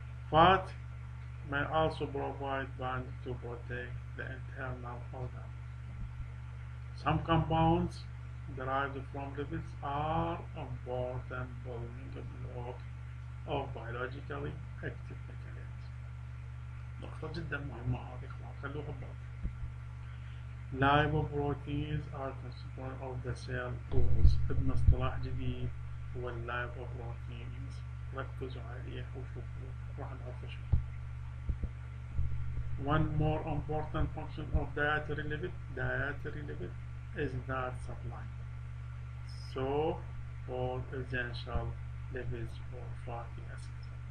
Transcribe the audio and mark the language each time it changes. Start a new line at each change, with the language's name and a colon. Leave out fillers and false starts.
English: Fat may also provide band to protect the internal organ. Some compounds derived from lipids are important building block of biologically active materials.
Arabic: نقطة جدا مهمة هذه خلاص خلوها بعد.
English: Lipoproteins are constituent of the cell walls.
Arabic: ابن اصطلاح جديد هو lipoproteins. ركزوا عليه وشوفوا راح نعرف شو.
English: One more important function of dietary lipid. Dietary lipid is that supply. So all essential lipids or fatty acids.